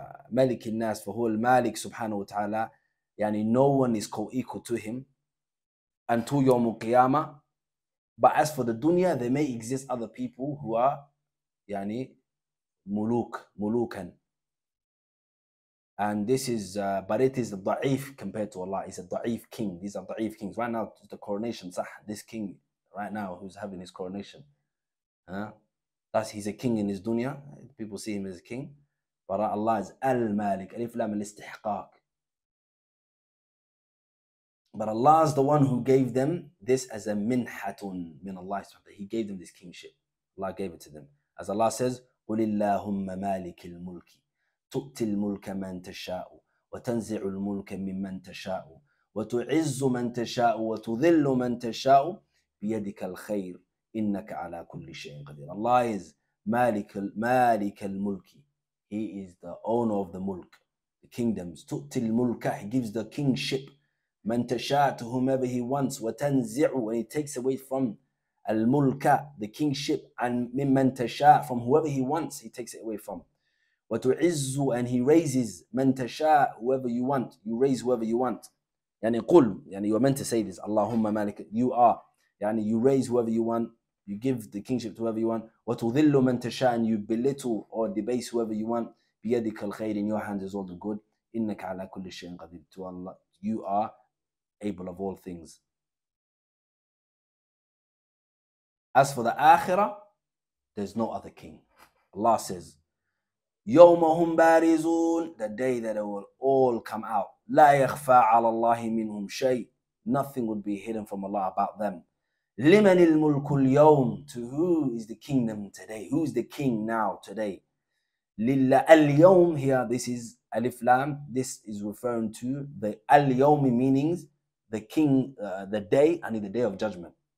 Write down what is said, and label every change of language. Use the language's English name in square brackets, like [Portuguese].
[Arabic] ملك الناس فهو المالك سبحانه وتعالى. [English] يعني no one is co-equal to him until يوم القيامة. But as for the dunya, there may exist other people who are [Arabic] يعني ملوك ملوكا. [English] And this is but it is a ضعيف compared to Allah. It's a ضعيف king. These are ضعيف kings. Right now the coronation, صح, this king right now who's having his coronation. That's he's a king in his dunya. People see him as a king. But Allah is al-malik. [Arabic] Alif lam al-istihqaq. [English] But Allah is the one who gave them this as a [Arabic] minhatun min Allah [English] subhanahu wa ta'ala. He gave them this kingship. Allah gave it to them. [Arabic] As Allah says, قُلِ اللَّهُمَّ مَالِكِ الْمُلْكِ تُؤْتِي الْمُلْكَ مَنْ تَشَاءُ وَتَنْزِعُ الْمُلْكَ مِمَّنْ تَشَاءُ وَتُعِزُّ مَنْ تَشَاءُ وَتُذِلُّ مَنْ تَشَاءُ بِيَدِكَ الْخَيْرِ إِنَّكَ عَلَى كُلِّ شَيْءٍ قَدِيرٌ. [English] Allah is مَالِكَ الْمُلْكِ. He is the owner of the mulk, the kingdoms. تُؤْتِي الْمُلْكَ. He gives the kingship. من تشاء to whomever he wants [Arabic] وتنزع [English] when he takes away from الملكة the kingship and من تشاء from whoever he wants he takes it away from وتعز and he raises من تشاء whoever you want you raise whoever you want يعني قل يعني you are meant to say this اللهم مالك you are يعني you raise whoever you want you give the kingship to whoever you want [Arabic] وتذل من تشاء [English] and you belittle or debase whoever you want [Arabic] بيدك الخير [English] in your hands is all the good [Arabic] إنك على كل شيء قدير [English] to Allah you are able of all things. As for the Akhirah, there's no other king. Allah says, [Arabic] يومهم بارزون, [English] the day that it will all come out. [Arabic] لا يخفى على الله منهم شيء. [English] Nothing would be hidden from Allah about them. [Arabic] لمن الملك اليوم, [English] to who is the kingdom today? Who is the king now, today? لله اليوم, here this is Alif Lam, this is referring to the اليوم meanings, the king, the day, I mean the day of judgment.